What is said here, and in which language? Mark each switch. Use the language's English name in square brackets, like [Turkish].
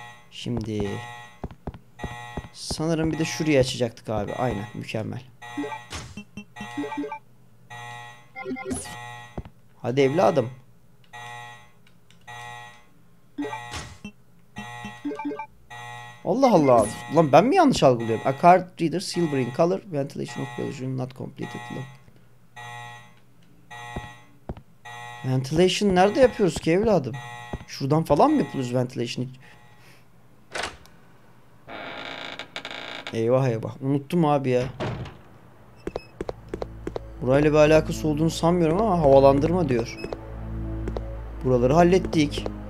[Turkish] Şimdi sanırım bir de şurayı açacaktık abi. Aynen, mükemmel. Hadi evladım. Allah Allah. Lan ben mi yanlış algılıyorum? [English] A card reader, silver in color, ventilation of illusion not completed. [Turkish] Ventilation nerede yapıyoruz ki evladım? Şuradan falan mı yapıyoruz ventilation? Eyvah eyvah. Unuttum abi ya. Burayla bir alakası olduğunu sanmıyorum ama havalandırma diyor. Buraları hallettik.